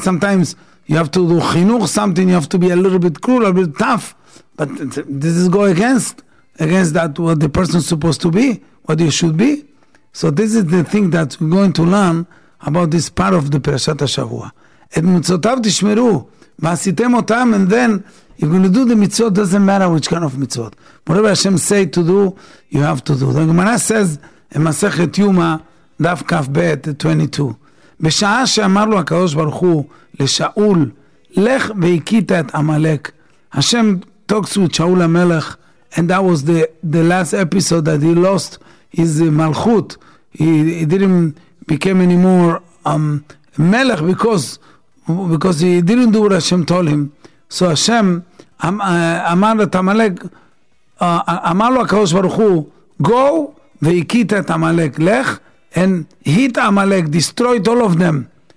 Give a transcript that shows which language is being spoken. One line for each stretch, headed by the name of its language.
English: Sometimes you have to do chinuch, something you have to be a little bit cruel, a bit tough, but this is go against that what the person is supposed to be, what you should be. So this is the thing that we're going to learn about this part of the Parashat HaShavua.
Hebrew: Et mitzotav tishmeru, ma'asitem otam,
English: and then you're going to do the mitzvot, doesn't matter which kind of mitzvot. Whatever Hashem says to do, you have to do. The Gemara says, in Masechet Yuma, Daf Kaf Bet, 22,
Hebrew: בשעה שאמר לו הקדוש ברוך הוא לשאול, לך והקית את עמלק.
English: Hashem talks with Shaul HaMelech, and that was the last episode that he lost his malchut. He didn't become any more Melech because he didn't do what Hashem told him. So Hashem amar at Amalek,
Hebrew: amar lo HaKadosh Baruch Hu,
English: go ve'ikit et Amalek, lech and hit Amalek, destroyed all of them.